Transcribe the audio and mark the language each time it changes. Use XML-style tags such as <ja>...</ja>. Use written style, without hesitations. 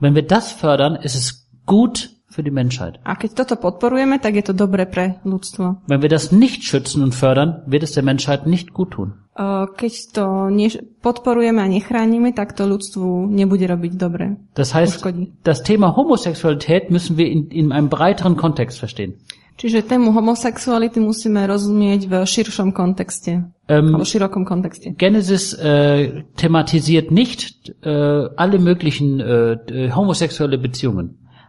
<de>Wenn wir das fördern, ist es gut für die Menschheit.</de> <sk>A keď toto podporujeme, tak je to dobre pre ľudstvo.</sk> <de>Wenn wir das nicht schützen und fördern, wird es der Menschheit nicht gut tun.</de> <sk>Keď to podporujeme a nechránime, tak to ľudstvu nebude robiť dobre. Das heißt, uškodí.</sk> <de>Das Thema Homosexualität müssen wir in einem breiteren Kontext verstehen.</de> <sk>Čiže tému homosexuality musíme rozumieť v širšom kontexte. V širokom kontexte.</sk> <de>Genesis thematisiert nicht alle möglichen homosexuelle Beziehungen.</de>